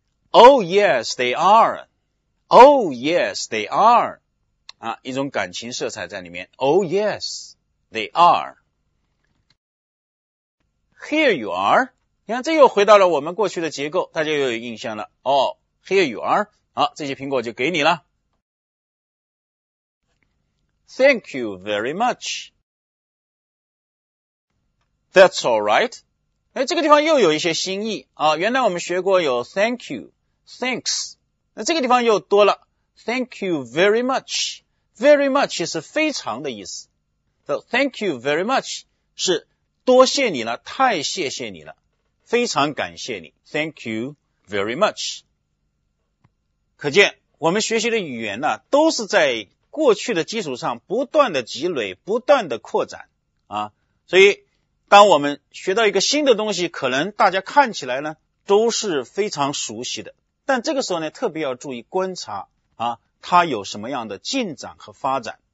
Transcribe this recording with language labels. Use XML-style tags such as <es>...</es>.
<en>Oh yes they areOh yes, they are，</en> <zh>啊，一种感情色彩在里面。</zh> <en>Oh yes, they are。 Here you are，</en> <zh>你看这又回到了我们过去的结构，大家又有印象了。</zh> <en>Oh, here you are，</en> <zh>好，这些苹果就给你了。</zh> <en>Thank you very much。 That's all right。</en> <zh>哎，这个地方又有一些新意啊。原来我们学过有 thank you, thanks。那这个地方又多了</zh> <en>Thank you very much。</en> <zh>Very much 是非常的意思，</zh> <en>So thank you very much</en> <zh>是多谢你了，太谢谢你了，非常感谢你，</zh> <en>Thank you very much。</en> <zh>可见我们学习的语言呢，都是在过去的基础上不断的积累，不断的扩展啊。所以当我们学到一个新的东西，可能大家看起来呢都是非常熟悉的，但这个时候呢特别要注意观察啊，它有什么样的进展和发展。</zh>